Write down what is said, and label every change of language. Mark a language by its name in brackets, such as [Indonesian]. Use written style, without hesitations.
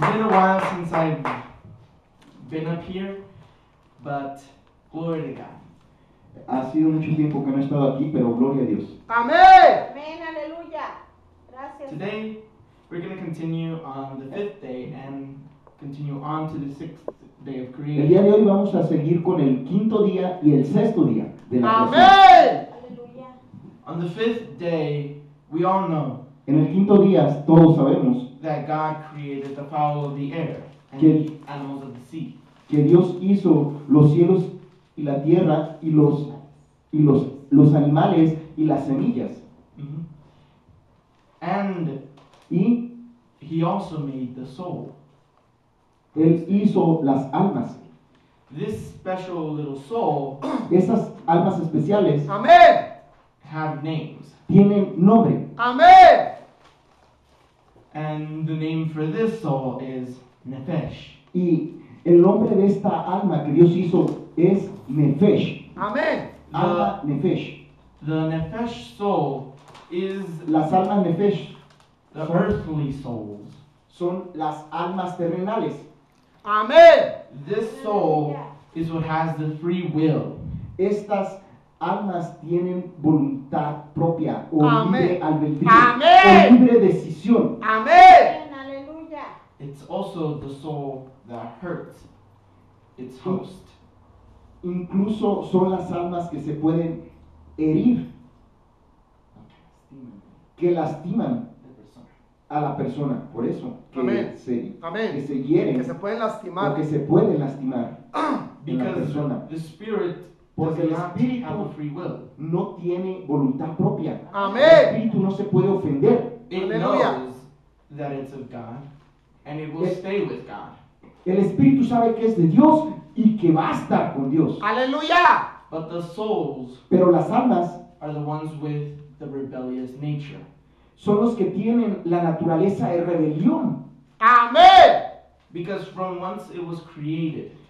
[English] It's been a while since I've been up here, but glory to God. [Spanish] Ha sido mucho tiempo que no he estado aquí, pero gloria a Dios. Amén. Amén. Aleluya. Gracias. [English] Today we're going to continue on the fifth day and continue on to the sixth day of creation. [Spanish] El día de hoy vamos a seguir con el quinto día y el sexto día de la creación. Amén. Aleluya. [English] On the fifth day, we all know. [Spanish] En el quinto día todos sabemos. [English] That God created the fowl of the air and the animals of the sea. [Spanish] Que Dios hizo los cielos y la tierra y los animales y las semillas. [English] Mm-hmm. And [Spanish] y [English] he also made the soul. [Spanish] Él hizo las almas. [English] This special little soul, [Spanish] esas almas especiales, amén, [English] have names. [Spanish] Tienen nombre. Amén. [English] And the name for this soul is nefesh. [Spanish] Y el nombre de esta alma que Dios hizo es nefesh. Amén. Alma nefesh. [English] The nefesh soul is [Spanish] las almas nefesh. [English] The earthly souls [Spanish] son las almas terrenales. Amén. [English] This soul is what has the free will. [Spanish] Estas almas tienen voluntad propia o libre albedrío. Amén. O libre decisión. Amén. Aleluya. [English] It's also the soul that hurts its host. [Spanish] Incluso son las almas que se pueden herir, que lastiman a la persona, por eso que se hieren, que se pueden lastimar, que se pueden lastimar a la persona. [English] The spirit, [Spanish] porque el espíritu [English] free will, [Spanish] no tiene voluntad propia. Amén. El espíritu no se puede ofender. Aleluya. [English] That it's of God and it will stay with God. [Spanish] El espíritu sabe que es de Dios y que va a estar con Dios. Aleluya. [English] But the souls, [Spanish] pero las almas, [English] are the ones with the rebellious nature. [Spanish] Son los que tienen la naturaleza de rebelión. Amén. [English] Because from once it was created.